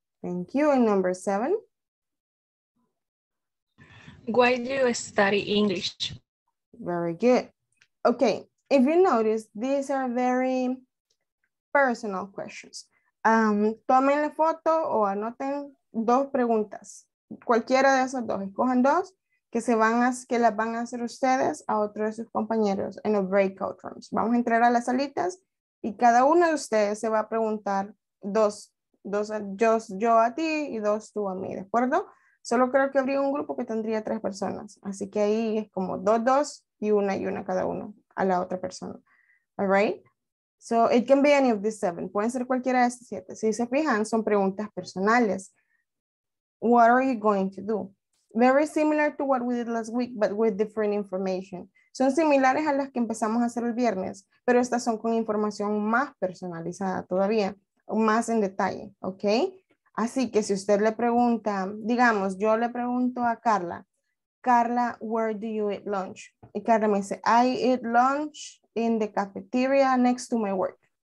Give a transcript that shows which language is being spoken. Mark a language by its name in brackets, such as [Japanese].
[English] Thank you. And number 7. Why do you study English? Very good. Okay, if you notice, these are very personal questions. [Spanish] Tomen la foto o anoten 2 preguntas. Cualquiera de esas 2, escojan 2 que las van a hacer ustedes a otro de sus compañeros en los breakout rooms. Vamos a entrar a las salitas y cada uno de ustedes se va a preguntar 2, yo a ti y 2 tú a mí, ¿de acuerdo? Solo creo que habría un grupo que tendría 3 personas. Así que ahí es como 2, 2. Y una cada uno a la otra persona. [English] All right? So it can be any of these 7. [Spanish] Pueden ser cualquiera de estas 7. Si se fijan, son preguntas personales. [English] What are you going to do? Very similar to what we did last week, but with different information. [Spanish] Son similares a las que empezamos a hacer el viernes, pero estas son con información más personalizada todavía, más en detalle, ¿ok? Así que si usted le pregunta, digamos, yo le pregunto a Carla, Carla, [English] where do you eat lunch? [Spanish] Y Carla me dice, [English] I eat lunch in the cafeteria next to my work.